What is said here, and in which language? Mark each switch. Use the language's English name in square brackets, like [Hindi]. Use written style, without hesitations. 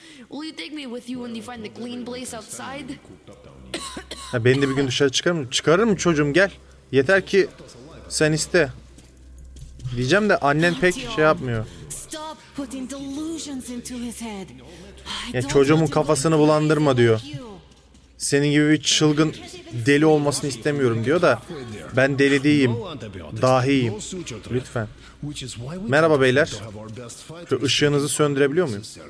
[English] Will you take me with you when you find the clean place outside? [Turkish] Ha, beni de bir gün dışarı çıkarır mı? Çıkarırım çocuğum, gel. Yeter ki sen iste. Diyeceğim de annen pek şey yapmıyor. [English] Stop putting delusions into his head. [Turkish] Ya çocuğumun kafasını bulandırma diyor. Senin gibi bir çılgın deli olmasını istemiyorum diyor da ben deli değilim. Dahiyim. Lütfen. Merhaba beyler. Şu ışığınızı söndürebiliyor muyum?